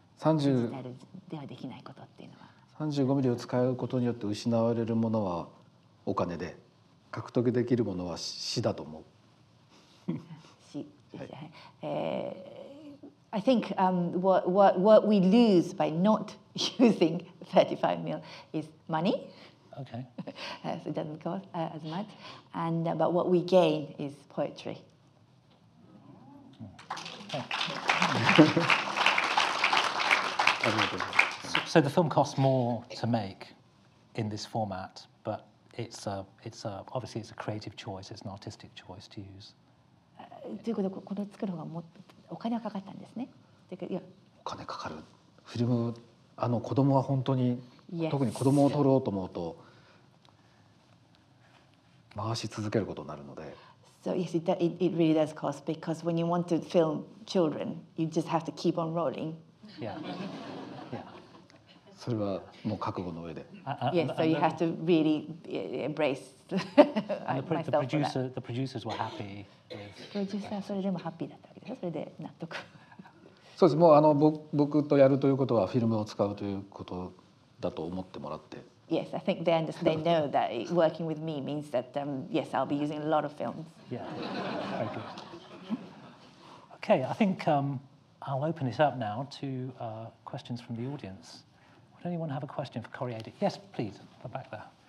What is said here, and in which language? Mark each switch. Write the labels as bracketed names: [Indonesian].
[Japanese] 35mm を使うことによって失われるものはお金で、獲得できるものは死だと思う。死。 [English] I think what we lose by not using 35mm is money. Okay. So it doesn't cost as much. And but what we gain is poetry. Oh. So the film costs more to make in this format, but it's obviously it's a creative choice. It's an artistic choice to use. [Japanese] ということでこの作る方がもっとお金はかかったんですね。お金かかる。フィルム、子供は本当に、yes. 特に子供を撮ろうと思うと回し続けることになるので。 [English] So yes, it really does cost because when you want to film children, you just have to keep on rolling. Yeah. Yeah. [Japanese] それはもう覚悟の上で。 [English] Yes, so you have to really embrace. The producers were happy. [Japanese] プロデューサーはそれでもハッピーだったわけです。それで納得。そうです。もう僕とやるということはフィルムを使うということだと思ってもらって。 [English] Yes, I think they understand. They know that working with me means that yes, I'll be using a lot of films. Yeah. Very good. Okay, I think I'll open this up now to questions from the audience. Would anyone have a question for Koriyada? Yes, please. The back there.